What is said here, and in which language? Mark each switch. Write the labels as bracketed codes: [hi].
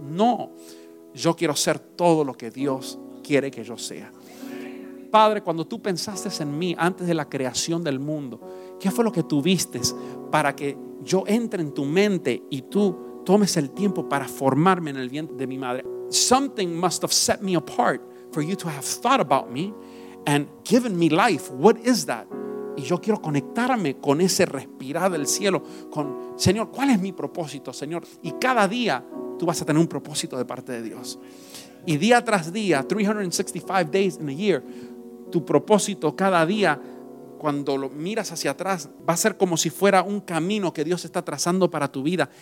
[es] No, yo quiero ser todo lo que Dios quiere que yo sea. Padre, cuando tú pensaste en mí antes de la creación del mundo, ¿qué fue lo que tuviste para que yo entre en tu mente y tú tomes el tiempo para formarme en el vientre de mi madre? [en] Something must have set me apart for you to have thought about me and given me life. What is that? [es] Y yo quiero conectarme con ese respirar del cielo, con Señor, ¿cuál es mi propósito, Señor? Y cada día tú vas a tener un propósito de parte de Dios. Y día tras día, [en] 365 days in a year, [es] tu propósito cada día, cuando lo miras hacia atrás, va a ser como si fuera un camino que Dios está trazando para tu vida.